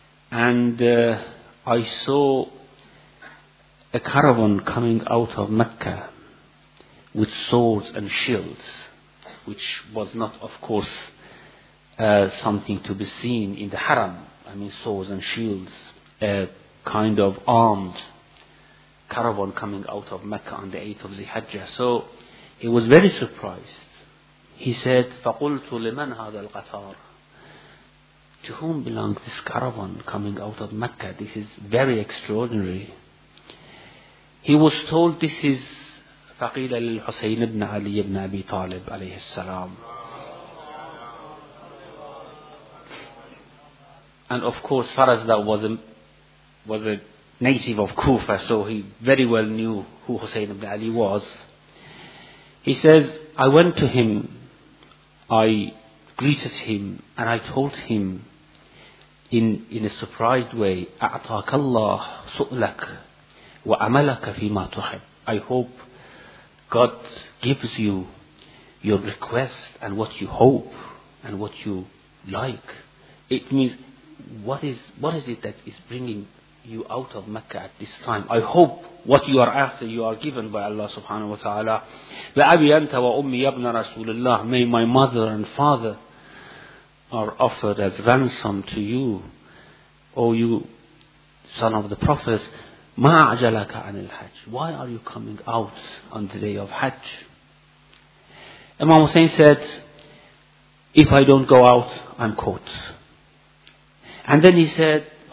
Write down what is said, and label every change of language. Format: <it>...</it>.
<en>And I saw a caravan coming out of Mecca with swords and shields, which was not, of course, something to be seen in the haram. I mean, swords and shields, a kind of armed caravan coming out of Mecca on the 8th of Zihajjah." So he was very surprised. He said,</en> <ar>"فَقُلْتُ لِمَنْ هَذَا الْقَطَارِ?"</ar> <en>To whom belongs this caravan coming out of Mecca? This is very extraordinary. He was told, "This is</en> <ar>فَقِيلَ لِلْحُسَيْنِ ابْنَ عَلِيِّ ابْنَ أَبِي طَالِبِ عَلَيْهِ السَّلَامِ."</ar> <en>And of course, Farazdaq was a native of Kufa, so he very well knew who Hussein ibn Ali was. He says, "I went to him, I greeted him, and I told him in a surprised way,</en> <ar>'A'taka Allah su'lak wa amalaka fima tuhib.'</ar> <en>I hope God gives you your request and what you hope and what you like." It means, what is it that is bringing you out of Mecca at this time? I hope what you are after, you are given by Allah subhanahu wa ta'ala.</en> <ar>"بأبي أنت وأمي ابن رسول الله."</ar> <en>May my mother and father are offered as ransom to you, O you son of the prophets.</en> <ar>"ما أعجلك عن الحج."</ar> <en>Why are you coming out on the day of Hajj? Imam Hussein said, "If I don't go out, I'm caught." And then he said,</en>